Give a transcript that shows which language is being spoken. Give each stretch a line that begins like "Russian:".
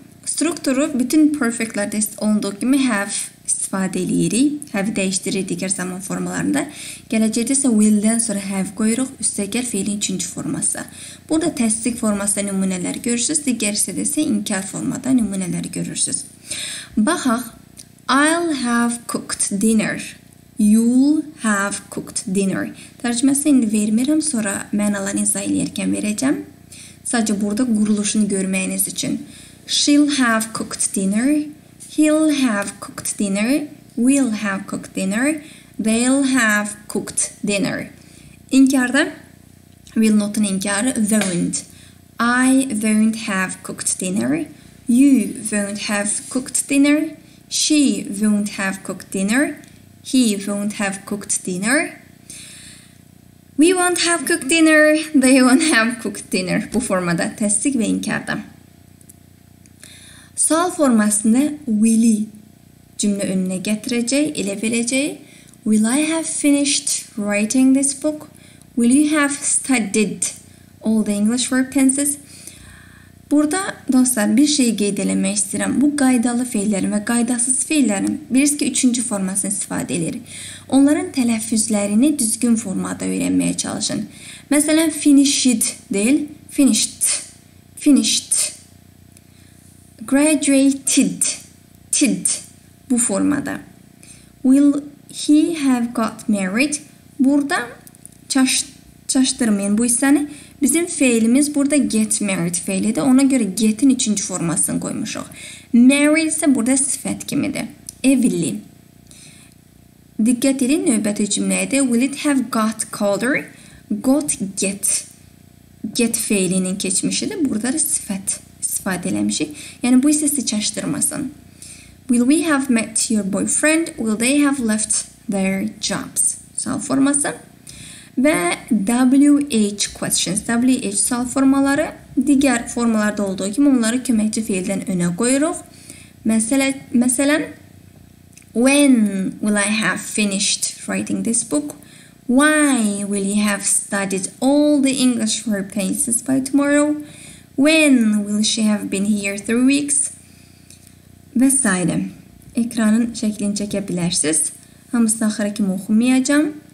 Azerbaijani: Strukturu bütün perfectlərdə olduğu kimi have istifadə edirik. Have-i dəyişdirir digər zaman formalarında. Gələcəkdə isə will-dən sonra have qoyuruq. Üstəgər fiilin üçüncü forması. Burada təsdiq formasında nümunələr görürsünüz. Digər hissədə isə inkar formada nümunələr görürsünüz.
English: Baxaq, I'll have cooked dinner. You'll have cooked dinner.
Azerbaijani: Tərcüməsini indi vermirəm, sonra mənalarını izah edərkən verəcəm. Sadəcə burada quruluşunu görməyiniz üçün.
English: She'll have cooked dinner. He'll have cooked dinner. We'll have cooked dinner. They'll have cooked dinner. İnkarda, will notun inkarı, won't. I won't have cooked dinner. You won't have cooked dinner. She won't have cooked dinner. He won't have cooked dinner. We won't have cooked dinner. They won't have cooked dinner.
Azerbaijani: Bu formada təsdiq ve inkarda. Sual formasını will-i cümle önüne getirecek, ele verecek.
English: Will I have finished writing this book? Will you have studied all the English verb tenses?
Azerbaijani: Burada dostlar bir şeyi qeyd eləmək istəyirəm. Bu qaydalı feillərin və qaydasız feillərin birisi ki, üçüncü formasını istifadə edir. Onların tələffüzlərini düzgün formada öyrənməyə çalışın. Məsələn, finished deyil, finished, finished. Graduated, did bu formada.
English: Will he have got married?
Azerbaijani: Burada çaşdırmayın bu hissəni. Bizim feilimiz burada get married feilidir. Ona görə get'in üçüncü formasını qoymuşuq. Married isə burada sifət kimidir. Evli. Diqqət edin növbəti cümləyidir.
English: Will it have got colder? Got get.
Azerbaijani: Get feilinin keçmişidir. Burada da sifət istifadə eləmişik. Yəni bu hissəsi çaşdırmasın.
English: Will we have met your boyfriend? Will they have left their jobs?
Azerbaijani: Sual forması. Və WH questions, WH sual formaları digər formalarda olduğu kimi onları köməkçi fiildən önə qoyuruq.
English: Məsələn, when will I have finished writing this book? Why will you have studied all the English verb tenses by tomorrow? When will she have been here 3 weeks?
Azerbaijani: Və s. Ekranın şəklini çəkə bilərsiniz. Hamısını axıra kimi oxumayacağım.